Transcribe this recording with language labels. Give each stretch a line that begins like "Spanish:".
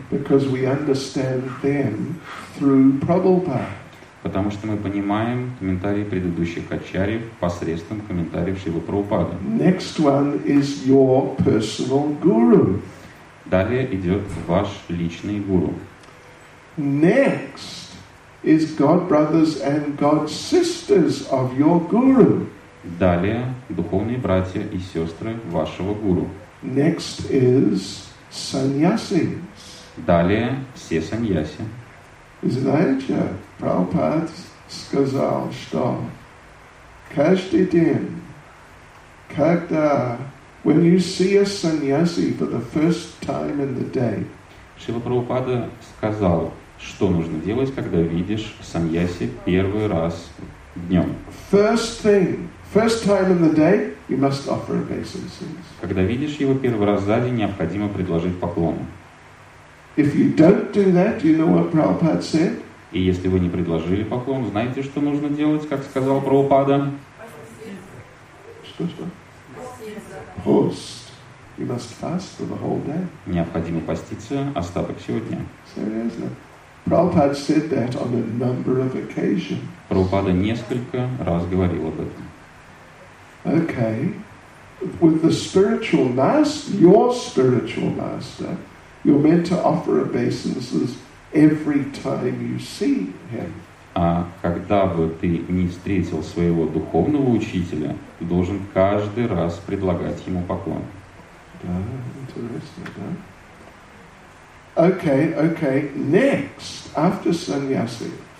English: Because we understand them through Prabhupada.
Russian: Потому что мы понимаем комментарии предыдущих ачарьев посредством комментариев Шрилы Прабхупады.
English: Next one is your personal guru.
Russian: Далее идет ваш личный гуру.
English: Next is God brothers and God sisters of your guru.
Russian: Далее духовные братья и сестры вашего гуру.
English: Next is sannyasis.
Russian: Далее все саньяси. Знаете, Прабхупад сказал, что каждый день, когда,
English: when you see a sannyasi for the first time in the day,
Russian: Шрила Прабхупада сказал, что нужно делать, когда видишь саньяси первый раз днем.
English: First thing, first time in the day, you must offer obeisances.
Russian: Когда видишь его первый раз за день, необходимо предложить поклон.
English: If you don't do that, you know what Prabhupada said?
Russian: И если вы не предложили поклон, знаете, что нужно делать, как сказал Прабхупада? Что? Пост.
English: You must fast for the whole day.
Russian: Необходимо поститься остаток всего дня.
English: Seriously? Prabhupada said that on a number of occasions.
Russian: Прабхупада несколько раз говорил об этом.
English: Okay, with the spiritual master, your spiritual master, you're meant to offer obeisances every time you see him.
Russian: А когда бы ты не встретил своего духовного учителя, ты должен каждый раз предлагать ему поклон. Да, интересно, да?
English: Okay, okay. Next, after sannyasi.